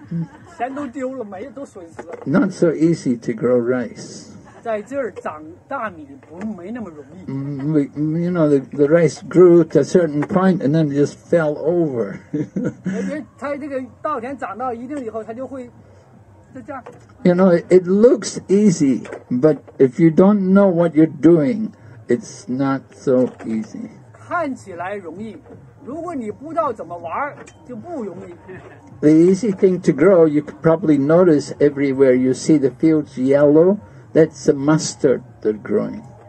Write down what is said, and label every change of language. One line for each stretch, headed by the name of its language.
Chinese: 我们损失老年钱了，钱都丢了，没都损失了。
English: Not so easy to grow rice.
Chinese: 在这儿长大米不没那么容易。
English: You know, the rice grew to a certain point and then it just fell over.
Chinese: 它这个稻田长到一定以后，它就会。
English: You know, it looks easy, but if you don't know what you're doing, it's not so easy. The easy thing to grow, you could probably notice everywhere you see the fields yellow, that's the mustard they're growing.